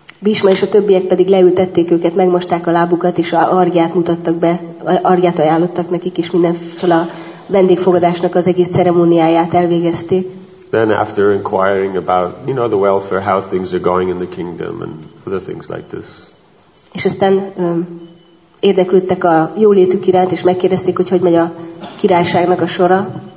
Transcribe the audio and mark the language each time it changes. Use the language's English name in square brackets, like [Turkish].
[Hungarian] Bhishma és a többiek pedig leültették őket, megmosták a lábukat és argyát mutattak be, argyát ajánlottak nekik és minden szóval a vendégfogadásnak az egész ceremóniáját elvégezték. [English] Then after inquiring about, you know, the welfare, how things are going in the kingdom and other things like this. [Hungarian] És aztán érdeklődtek a jólétük iránt, és megkérdezték, hogy hogy megy a királyságnak a sora.